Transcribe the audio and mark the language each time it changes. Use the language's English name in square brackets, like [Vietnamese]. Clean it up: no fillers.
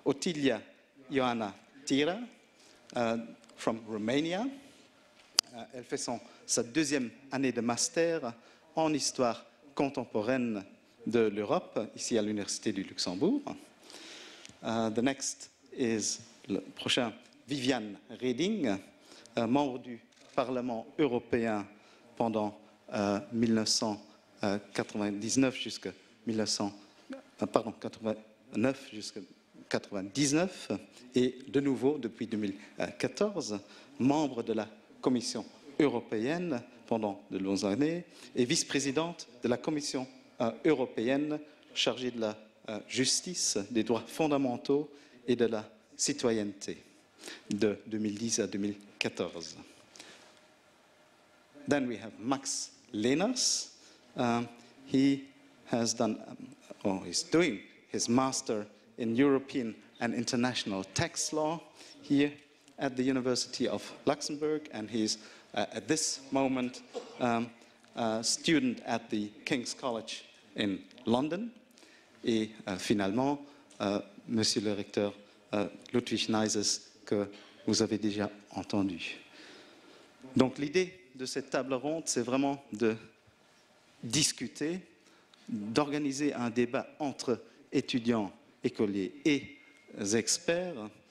[English] Then we have Otilia Ioana Tira, from Romania. [French] Elle fait sa deuxième année de master en histoire contemporaine de l'Europe, ici à l'Université du Luxembourg. [English] The next is, [French] le prochain, Viviane Reding, membre du Parlement européen pendant 1999 jusqu'à 1999 et de nouveau depuis 2014, membre de la Commission européenne pendant de longues années et vice-présidente de la Commission européenne chargée de la justice, des droits fondamentaux et de la citoyenneté de 2010 à 2014. [English] Then we have Max Lenners. He has done, or is doing, his master in European and International Tax Law here at the University of Luxembourg, and he's at this moment a student at the King's College in London. [French] Et finalement, Monsieur le Recteur Ludwig Neises, que vous avez déjà entendu. Donc l'idée de cette table ronde, c'est vraiment de discuter, d'organiser un débat entre étudiants, écoliers et experts.